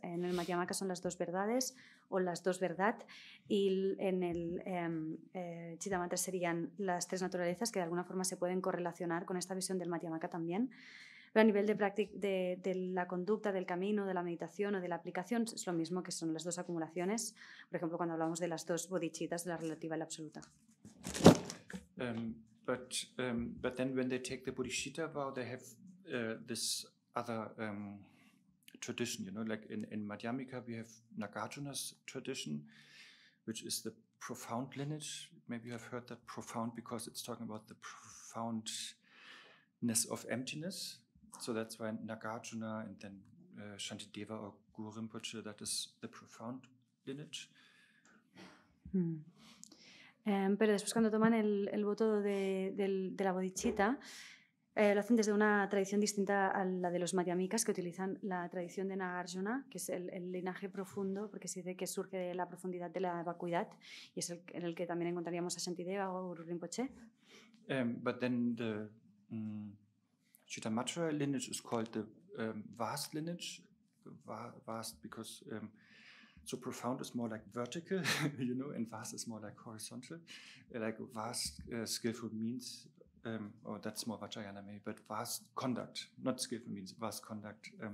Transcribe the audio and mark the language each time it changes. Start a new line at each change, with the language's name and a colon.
Spanish: En el Madhyamaka son las dos verdades o las dos verdad. Y en el Chitamatra serían las tres naturalezas que de alguna forma se pueden correlacionar con esta visión del Madhyamaka también. Pero a nivel de práctica, de la conducta, del camino, de la meditación o de la aplicación, es lo mismo, que son las dos acumulaciones. Por ejemplo, cuando hablamos de las dos bodhichitas, de la relativa y la absoluta.
English: But then when they take the bodhicitta vow, they have this other tradition, you know, like in Madhyamika, we have Nagarjuna's tradition, which is the profound lineage. Maybe you have heard that, profound, because it's talking about the profoundness of emptiness. So that's why Nagarjuna and then Shantideva or Guru Rinpoche, that is the profound lineage. Hmm.
Spanish: Pero después, cuando toman el voto de la bodhicitta, lo hacen desde una tradición distinta a la de los madhyamikas, que utilizan la tradición de Nagarjuna, que es el linaje profundo, porque se dice que surge de la profundidad de la vacuidad, y es en el que también encontraríamos a Shantideva o Guru Rinpoche.
English: But then the Chittamatra lineage is called the vast lineage, vast because so profound is more like vertical, you know, and vast is more like horizontal, like vast skillful means, or that's more Vajrayana maybe, but vast conduct, not skillful means, vast conduct,